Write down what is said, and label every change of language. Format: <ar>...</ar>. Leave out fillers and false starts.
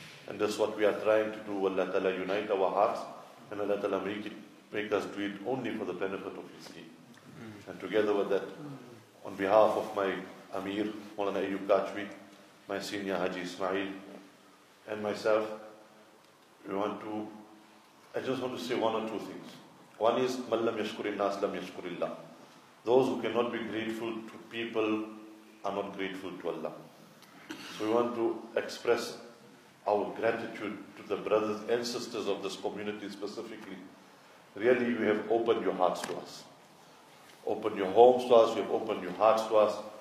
<en>And that's what we are trying to do. Allah Ta'ala unite our hearts, and Allah Ta'ala make us do it only for the benefit of His deen. And together with that, on behalf of my Amir, Maulana Ayyub Kachwi, my senior Haji Ismail, and myself, I just want to say one or two things. One is,</en> <ar>مَنْ لَمْ يَشْكُرِ النَّاسِ لَمْ يَشْكُرِ اللَّهِ.</ar> <en>Those who cannot be grateful to people are not grateful to Allah. So we want to express our gratitude to the brothers and sisters of this community specifically. Really, you have opened your hearts to us. Opened your homes to us, you have opened your hearts to us.</en>